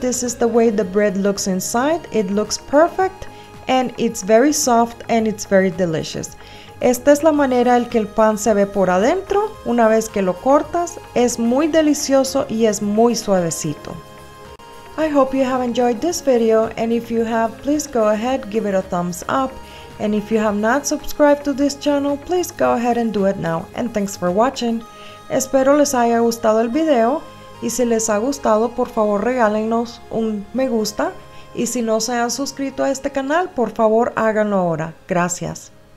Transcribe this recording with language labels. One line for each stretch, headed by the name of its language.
English: This is the way the bread looks inside. It looks perfect and it's very soft and it's very delicious.
Spanish: Esta es la manera en que el pan se ve por adentro. Una vez que lo cortas, es muy delicioso y es muy suavecito.
English: I hope you have enjoyed this video and if you have, please go ahead, give it a thumbs up. And if you have not subscribed to this channel, please go ahead and do it now. And thanks for watching.
Spanish: Espero les haya gustado el video. Y si les ha gustado, por favor regálenos un me gusta. Y si no se han suscrito a este canal, por favor háganlo ahora. Gracias.